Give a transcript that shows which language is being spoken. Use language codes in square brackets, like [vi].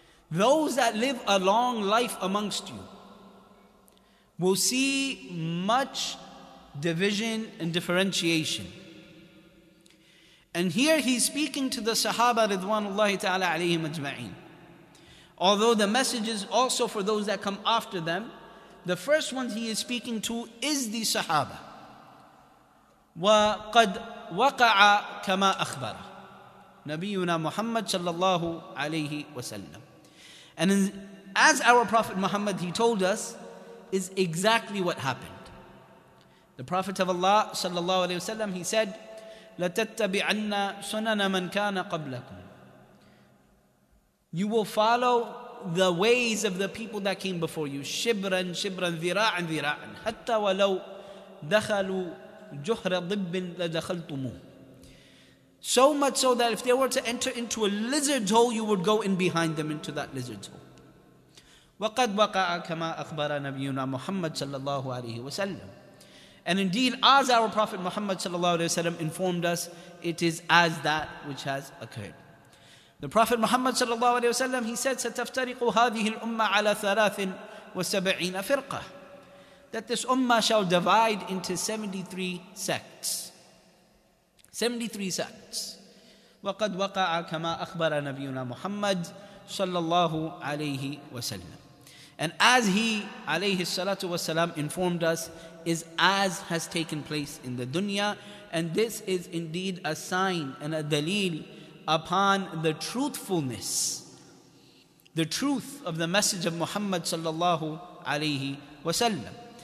[en] Those that live a long life amongst you will see much division and differentiation. And here he's speaking to the Sahaba ridwanullahi ta'ala alayhim ajma'in. Although the message is also for those that come after them, the first one he is speaking to is the Sahaba. [ar] وَقَدْ وَقَعَ كَمَا أَخْبَرَ نَبِيُّنَا مُحَمَّدْ sallallahu alayhi wasallam. [en] And as our Prophet Muhammad, he told us, is exactly what happened. The Prophet of Allah sallallahu alayhi wasallam, he said, [ar] لَتَتَّبِعَنَّ سُنَنَ مَنْ كَانَ قَبْلَكُمْ. [en] You will follow the ways of the people that came before you. [ar] شِبْرًا شِبْرًا ذِرَاعًا ذِرَاعًا حَتَّى وَلَوْ دَخَلُوا جُهْرَ ضِبٍ لَدَخَلْتُمُهُ. [en] So much so that if they were to enter into a lizard's hole, you would go in behind them into that lizard's hole. [ar] وَقَدْ وَقَعَ كَمَا أَخْبَرَ نَبِيُّنَا مُحَمَّدْ sallallahu alayhi wa sallam. [en] And indeed, as our Prophet Muhammad sallallahu alayhi wa sallam informed us, it is as that which has occurred. The Prophet Muhammad sallallahu alayhi wa sallam, he said, [ar] سَتَفْتَرِقُ هَذِهِ الْأُمَّةِ عَلَى ثَلَاثٍ وَسَبْعِينَ فِرْقَةٍ. [en] That this ummah shall divide into 73 sects. 73 sects. [ar] وَقَدْ وَقَعَ كَمَا أَخْبَرَ نَبِيُّنَا مُحَمَّدْ sallallahu alayhi wa sallam. [en] And as he alayhi salatu wa sallam informed us, is as has taken place in the dunya. And this is indeed a sign and a dalil upon the truthfulness, the truth of the message of Muhammad sallallahu alayhi wa sallam.